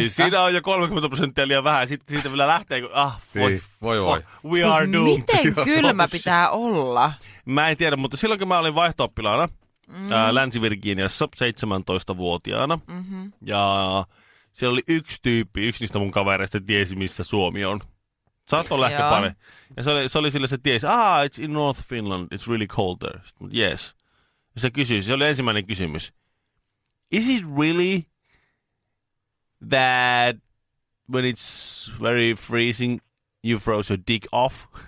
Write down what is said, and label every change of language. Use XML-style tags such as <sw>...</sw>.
<fi>Niin siinä on jo 30% liian vähän, siitä vielä lähtee, kun voi.</fi> <en>We</en> <fi>siis</fi> <en>are doomed.</en> <fi>Miten kylmä pitää olla? Mä en tiedä, mutta silloin kun mä olin vaihto-oppilaana Länsi-Virginiassa 17-vuotiaana, ja siellä oli yksi tyyppi, yksi niistä mun kavereista tiesi, missä Suomi on. Saattoi lähteä pari. Ja se oli sille se tiesi,</fi> <en>it's in North Finland, it's really cold there.</en> <fi>Sitten,</fi> <en>yes.</en> <fi>Ja se kysyi, se oli ensimmäinen kysymys.</fi> <en>Is it really that when it's very freezing, you froze your dick off?</en>